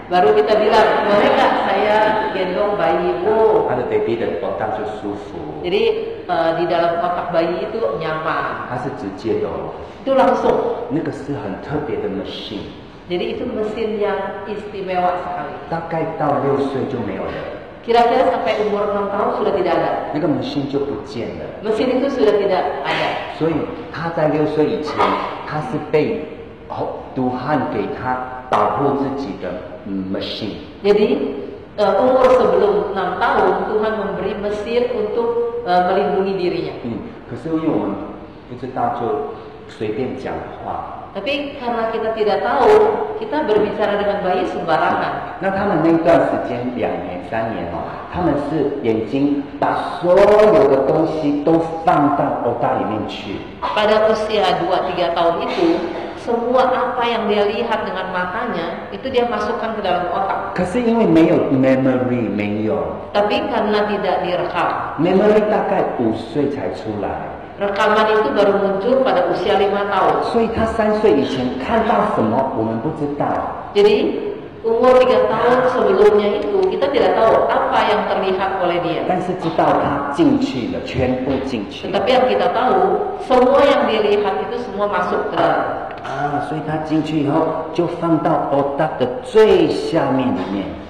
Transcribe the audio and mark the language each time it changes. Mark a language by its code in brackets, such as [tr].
[id] Baru kita bilang boleh nggak saya gendong bayimu. [zh] 他的 baby 的otak 就舒服。 [id] Jadi di dalam otak bayi itu nyaman. [zh] 它是直接的。 [id] Itu langsung. [zh] 那个是很特别的 machine。 [id] Jadi itu mesin yang istimewa sekali. [zh] 大概到六岁就没有了。 [id] Kira-kira sampai umur 6 tahun sudah tidak ada. [zh] 那个 machine 就不见了。 [id] Mesin itu sudah tidak ada. [zh] 所以他在六岁以前，他是被Tuhan给他保护自己的 machine。 [id] Jadi umur sebelum 6 tahun Tuhan memberi mesin untuk melindungi dirinya。 [zh] 可是因为我们不知道就随便讲话。 [id] Tapi karena kita tidak tahu, kita berbicara dengan bayi sembarangan. [zh] 那他们那段时间两年三年哦，他们是眼睛把所有的东西都放到otak里面去。 [id] Pada usia 2-3 tahun itu, semua apa yang dia lihat dengan matanya itu dia masukkan ke dalam otak. [zh] 可是因为没有 memory 没有。 [id] Tapi karena tidak direkam. [zh] Memory 大概五岁才出来。 [id] Rekaman itu baru muncul pada usia 5 tahun. [zh] 所以他三岁以前看到什么我们不知道。 [id] Jadi umur 3 tahun sebelumnya itu kita tidak tahu apa yang terlihat oleh dia. [zh] 但是知道他进去了，全部进去。 [id] Tetapi yang kita tahu semua yang dia lihat itu semua masuk ke. [zh] 所以他进去以后就放到 otak 的最下面里面。